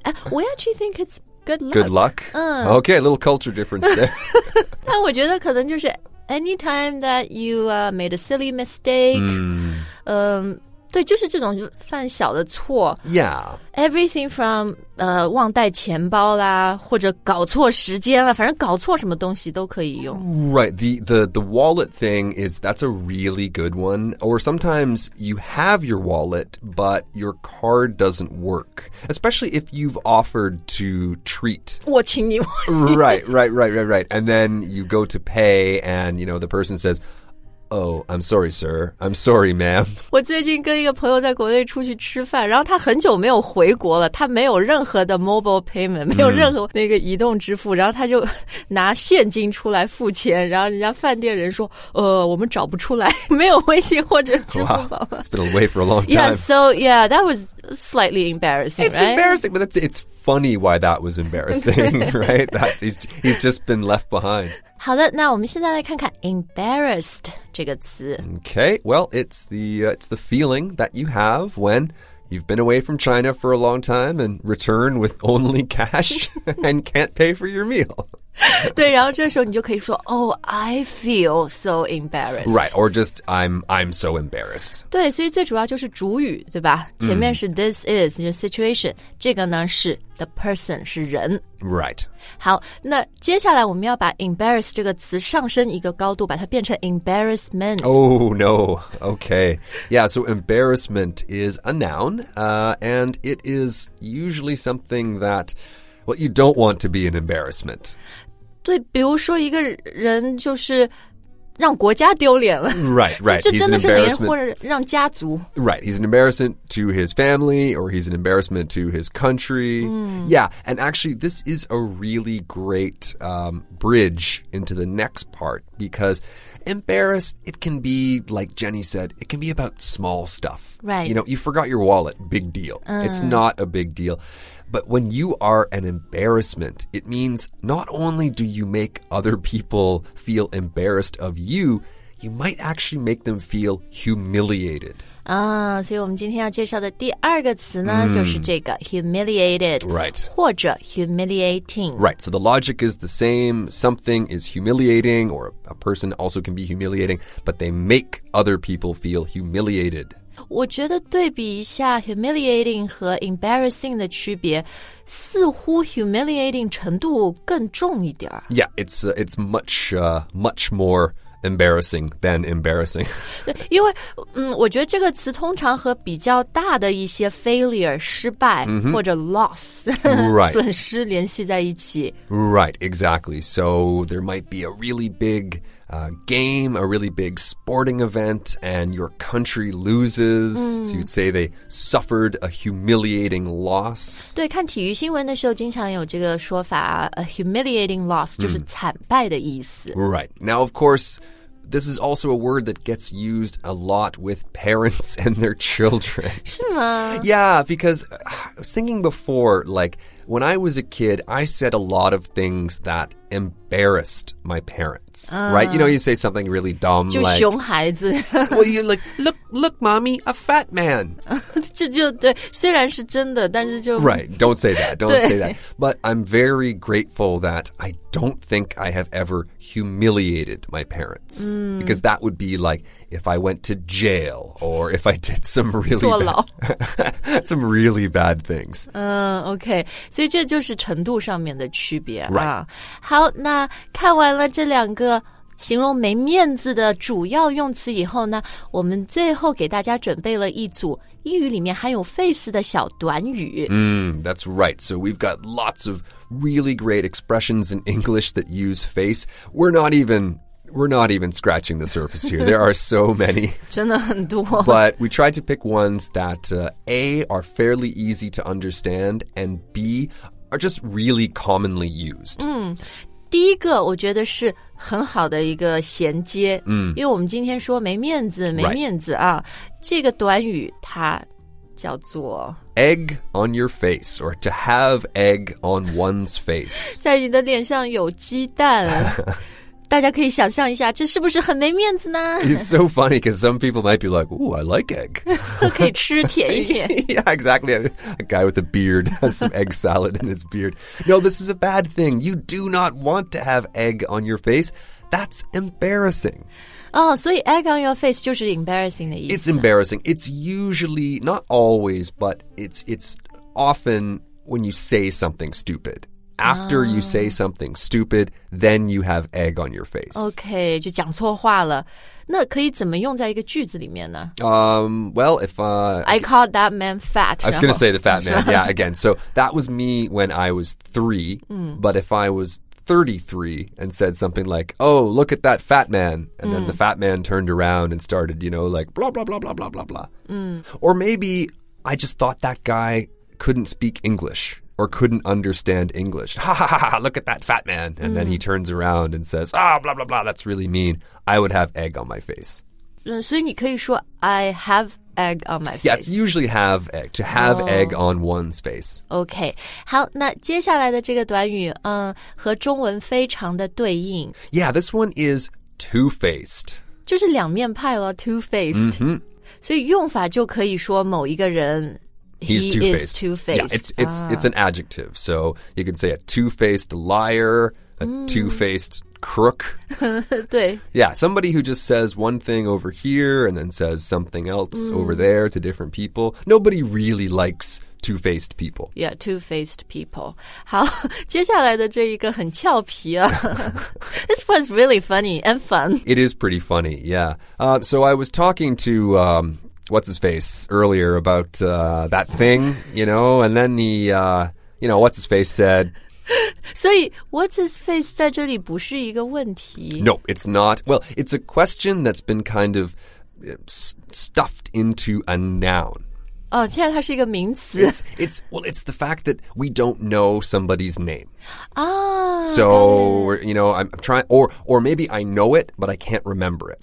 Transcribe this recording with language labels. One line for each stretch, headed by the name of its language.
English: We actually think it's good luck. Good luck? Okay, a little culture difference there.
Chinese: 但我觉得可能就是
English: anytime that you made a silly mistake,
Chinese: 对，就是这种犯小的错。
English: Yeah. Everything from
Chinese: 忘带钱包啦，或者搞错时间啦，反正搞错什么东西都可以用。
English: Right. The wallet thing is, that's a really good one. Or sometimes you have your wallet, but your card doesn't work. Especially if you've offered to treat.
Chinese: 我请你。
English: Right, right, right, right, right. And then you go to pay and, you know, the person says,Oh, I'm sorry, sir. I'm sorry, ma'am.
Chinese: 我最近跟一个朋友在国内出去吃饭，然后他很久没有回国了，他没有任何的
English: mobile payment,
Chinese: 没有任何那个移动支付，然后他就拿现金出来付钱，然后人家饭店人说，我们找不出来，没有微信或者支付宝。
English: Wow, it's been away for a long time. Yeah, so yeah, that was slightly embarrassing, right? It's embarrassing, but it's funny why that was embarrassing, right? That's, he's just been left behind.
Chinese: 好的，那我们现在来看看 embarrassed 这个词。
English: Okay, well, it's the feeling that you have when you've been away from China for a long time and return with only cash and can't pay for your meal.
Chinese: 对，然后这时候你就可以说
English: Oh, I feel so embarrassed. Right, or just I'm so embarrassed.
Chinese: 对，所以最主要就是主语，对吧？前面是
English: this is your situation，
Chinese: 这个呢是
English: the person，
Chinese: 是人。
English: Right.
Chinese: 好，那接下来我们要把 embarrass 这个词上升一个高度，把它变成 embarrassment.
English: Oh no. Okay. Yeah. So embarrassment is a noun, and it is usually something that. Well, you don't want to be an embarrassment.
Chinese: 对，比如说一个人就是让国家丢脸了。
English: Right, right.
Chinese: 就真的是连或者让家族。
English: Right, he's an embarrassment to his family or he's an embarrassment to his country.、 Mm. Yeah, and actually this is a really great、bridge into the next part because embarrassed, it can be, like Jenny said, it can be about small stuff. Right. You know, you forgot your wallet, big deal.、 Mm. It's not a big deal. But when you are an embarrassment, it means not only do you make other people feel embarrassed of you, you might actually make them feel humiliated. Ah, so we're going to talk about the second word today, humiliated. Right. Or humiliating. Right. So the logic is the same. Something is humiliating, or a person also can be humiliating, but they make other people feel humiliated.
Chinese: 我觉得对比一下 humiliating 和 embarrassing 的区别，似乎 humiliating 程度更重一点。
English: Yeah, it's much, much more embarrassing than embarrassing.
Chinese: 对，因为，我觉得这个词通常和比较大的一些 failure, 失败、
English: mm-hmm.
Chinese: 或者
English: loss, right.
Chinese: 损失联系在一起。
English: Right, exactly. So there might be a really big... game, a really big sporting event, and your country loses.、 Mm. So you'd say they suffered a humiliating loss.
Chinese: 对，看体育新闻的时候经常有这个说法
English: a humiliating loss,、
Chinese: mm. 就是惨败的意思。
English: Right. Now, of course, this is also a word that gets used a lot with parents and their children.
Chinese: 是吗？
English: Yeah, because I was thinking before, like, when I was a kid, I said a lot of things that embarrassed my parents,、right? You know, you say something really dumb,
Chinese: 就
English: like,
Chinese: 凶孩子
English: well, you're like, look, look, mommy, a fat man.
Chinese: 就对，虽然是真的，但是就
English: Right, don't say that, don't say that. But I'm very grateful that I don't think I have ever humiliated my parents.、 Mm. Because that would be like, if I went to jail, or if I did some really, some really bad things. Okay.
Chinese: 所以这就是程度上面的区别、
English: right.
Chinese: 啊。好，那看完了这两个形容没面子的主要用词以后呢，我们最后给大家准备了一组英语里面含有费斯的小短语。
English: That's right. So we've got lots of really great expressions in English that use face. We're not even scratching the surface here. There are so many.
Chinese: 真的很多。
English: But we tried to pick ones that, A, are fairly easy to understand, and B, are just really commonly used.
Chinese: 第一个我觉得是很好的一个衔接。因为我们今天说没面子，没面子啊。 Right. 这个短语它叫做
English: egg on your face, or to have egg on one's face.
Chinese: 在你的脸上有鸡蛋。大家可以想象一下，这是不是很没面子呢？
English: It's so funny because some people might be like, ooh, I like egg.
Chinese: 可以吃舔一舔。
English: Yeah, exactly. A guy with a beard has some egg salad in his beard. No, this is a bad thing. You do not want to have egg on your face. That's embarrassing. Oh, so egg on your face
Chinese: 就是
English: embarrassing
Chinese: 的意思。
English: It's embarrassing. It's usually, not always, but it's often when you say something stupid. After you say something stupid, then you have egg on your face.
Chinese: Okay, 就讲错话了。那可以怎么用在一个句子里面呢？
English: Well, if I called that man fat. I was going to say the fat man. Yeah, again. So that was me when I was 3. But if I was 33 and said something like, oh, look at that fat man. And then the fat man turned around and started, you know, like blah, blah, blah, blah, blah, blah, blah. Or maybe I just thought that guy couldn't speak English. Or couldn't understand English. Ha ha ha ha, look at that fat man. And then he turns around and says, ah,、oh, blah, blah, blah, that's really mean. I would have egg on my face.
Chinese: 所以你可以说
English: I have egg on my face. Yeah, it's usually have egg, to have、oh. egg on one's face.
Chinese: Okay, 好那接下来的这个短语、和中文非常的对应。
English: Yeah, this one is two-faced.
Chinese: 就是两面派了 two-faced.、
English: Mm-hmm.
Chinese: 所以用法就可以说某一个人
English: He's two-faced. Is two-faced. Yeah, it's an adjective. So you can say a two-faced liar, a two-faced crook.
Chinese: 对。
English: Yeah, somebody who just says one thing over here and then says something else over there to different people. Nobody really likes two-faced people. Yeah, two-faced people.
Chinese: 好，接下来的这一个很俏皮啊。
English: This one's really funny and fun. It is pretty funny, yeah. So I was talking to... What's his face earlier about that thing, you know? And then he, you know, what's his face said?
Chinese: 所以
English: what's his face
Chinese: 在这里不是一个问题。
English: No, it's not. Well, it's a question that's been kind of stuffed into a noun.
Chinese: 哦，现在它是一个名词。
English: It's the fact that we don't know somebody's name.
Chinese: 啊。
English: So, you know, I'm trying, or maybe I know it, but I can't remember it.